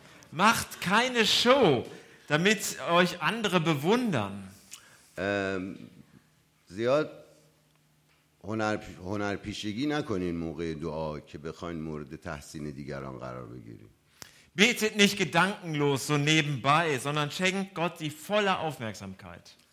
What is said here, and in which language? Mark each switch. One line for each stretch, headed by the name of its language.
German: Macht keine Show, damit euch andere bewundern.
Persian: زیاد هنرپیشگی نکنین موقع دعا که بخواین مورد تحسین دیگران قرار بگیرین.
German: Betet nicht gedankenlos so nebenbei, sondern schenkt Gott die volle Aufmerksamkeit.